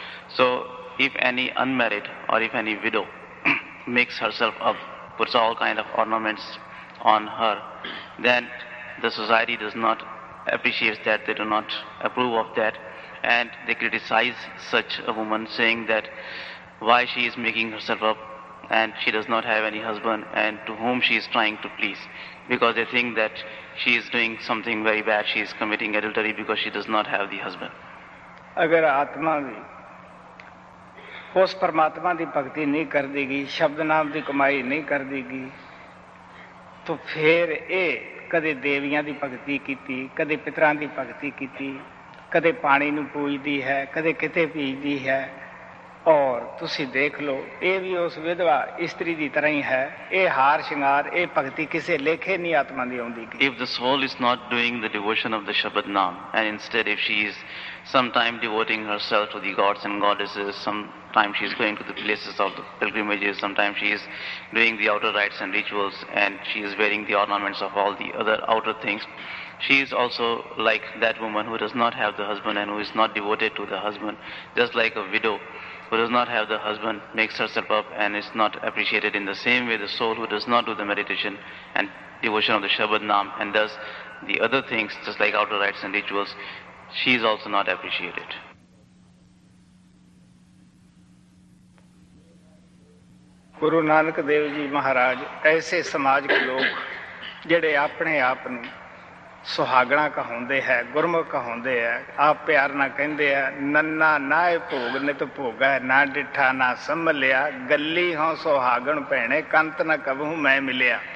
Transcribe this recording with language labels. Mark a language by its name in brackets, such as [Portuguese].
[English] So if any unmarried or if any widow makes herself up, puts all kind of ornaments on her, then the society does not appreciate that, they do not approve of that, and they criticize such a woman, saying that why she is making herself up and she does not have any husband and to whom she is trying to please, because they think that she is doing something very bad, she is committing adultery because she does not have the husband. [Punjabi] Agar atma bhi us parmatma di bhakti nahi kardegi, shabd naam di kamai nahi kardegi, to phir eh ਕਦੇ ਦੇਵੀਆਂ ਦੀ ਭਗਤੀ ਕੀਤੀ, ਕਦੇ ਪਿਤਰਾਂ ਦੀ ਭਗਤੀ ਕੀਤੀ, ਕਦੇ ਪਾਣੀ ਨੂੰ ਪੂਜਦੀ ਹੈ, ਕਦੇ ਕਿਤੇ ਪੀਜਦੀ ਹੈ, ਔਰ ਤੁਸੀਂ ਦੇਖ ਲਓ ਇਹ ਵੀ ਉਸ ਵਿਧਵਾ ਇਸਤਰੀ ਦੀ ਤਰ੍ਹਾਂ ਹੀ ਹੈ। ਇਹ ਹਾਰ ਸ਼ਿੰਗਾਰ, ਇਹ ਭਗਤੀ ਕਿਸੇ ਲੇਖੇ ਨਹੀਂ ਆਤਮਾ ਦੀ ਆਉਂਦੀ। [English] If the soul is not doing the devotion of the shabad naam and instead if she is some time devoting herself to the gods and goddesses, some time she is going to the places of the pilgrimages, some time she is doing the outer rites and rituals and she is wearing the ornaments of all the other outer things, she is also like that woman who does not have the husband and who is not devoted to the husband, just like a widow who does not have the husband makes herself up and is not appreciated. In the same way, the soul who does not do the meditation and devotion of the Shabad Naam and does the other things, just like outer rites and rituals, she is also not appreciated. [Punjabi] Guru Nanak Dev Ji Maharaj, aise samaj ke log jede apne aap nu ਸੁਹਾਗਣਾ ਕਹਾਉਂਦੇ ਹੈ, ਗੁਰਮੁਖ ਕਹਾਉਂਦੇ ਹੈ, ਆਪ ਪਿਆਰ ਨਾਲ ਕਹਿੰਦੇ ਹੈ, ਨੰਨਾ ਨਾ ਇਹ ਭੋਗ ਨਿਤ ਭੋਗਾ, ਨਾ ਡਿੱਠਾ ਨਾ ਸੰਭਲਿਆ, ਗੱਲੀ ਹਾਂ ਸੁਹਾਗਣ ਭੈਣੇ, ਕੰਤ ਨਾ ਕਬੂ ਮੈਂ ਮਿਲਿਆ।